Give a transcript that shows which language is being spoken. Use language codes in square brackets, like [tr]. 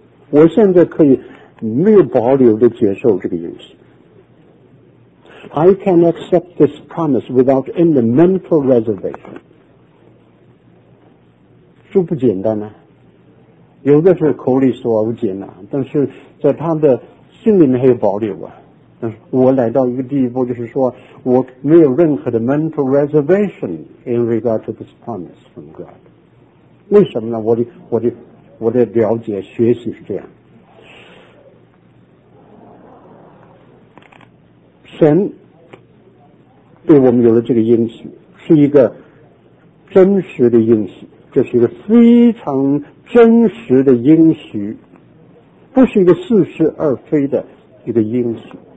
[zh] 我现在可以没有保留的接受这个应许。 [en] I can accept this promise without any mental reservation。 [zh] 这不简单啊，有的是口里说不简单，但是在他的心里面还有保留啊。我来到一个地步，就是说我没有任何的 [en] mental reservation in regard to this promise from God。 [zh] 为什么呢？我的了解学习是这样，神对我们有了这个应许，是一个真实的应许，这是一个非常真实的应许，不是一个似是而非的一个应许。